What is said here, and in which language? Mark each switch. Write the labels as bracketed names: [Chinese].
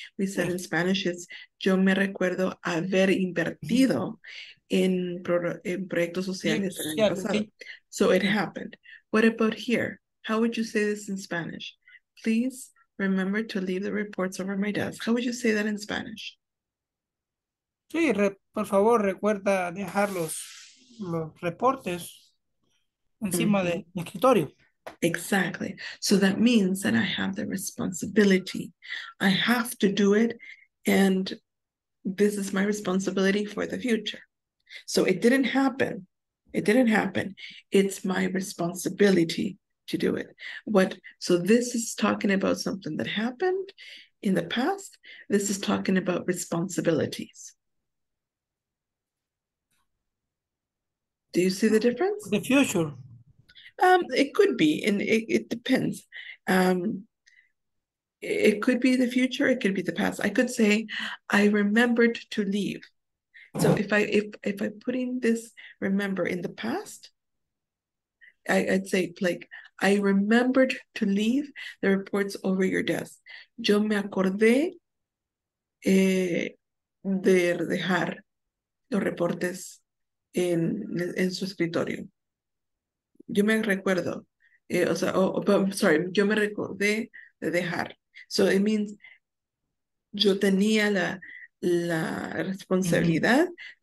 [English] We said in Spanish, it's [Spanish] yo me recuerdo haber invertido en proyectos sociales en el pasado. [English] So it happened. What about here? How would you say this in Spanish? Please remember to leave the reports over my desk. How would you say that in Spanish? [Spanish] Sí, por favor, recuerda dejar los reportes encima mm-hmm. del escritorio. [English] Exactly. So that means that I have the responsibility. I have to do it, and this is my responsibility for the future. So it didn't happen. It didn't happen. It's my responsibility to do it. So this is talking about something that happened in the past. This is talking about responsibilities. Do you see the difference? The future. It could be, and it depends. It could be the future, it could be the past. I could say, I remembered to leave. So if I put in this remember in the past, I'd say, like, I remembered to leave the reports over your desk. [Spanish] Yo me acordé de dejar los reportes en su escritorio. Yo me recuerdo, yo me recordé de dejar. [English] So it means [Spanish] yo tenía la responsabilidad mm-hmm.